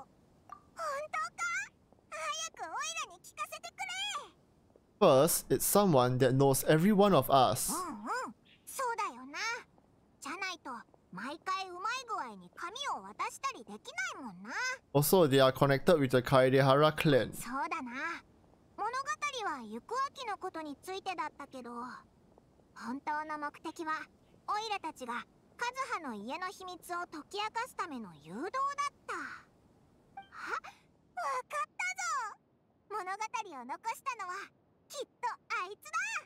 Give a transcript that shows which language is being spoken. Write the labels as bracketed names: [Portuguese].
[Japanese] 早くオイラに聞かせてくれ。 [English] First, it's someone that knows every one of us. [Japanese] そうだよな。じゃないと毎回うまい具合に紙を渡したりできないもんな。 [English] Also, they are connected with the Kaidehara clan. [Japanese] そうだな。物語は行く秋のことについてだったけど、本当の目的はオイラたちがカズハの家の秘密を解き明かすための誘導だった。わかったぞ。物語を残したのはきっとあいつだ。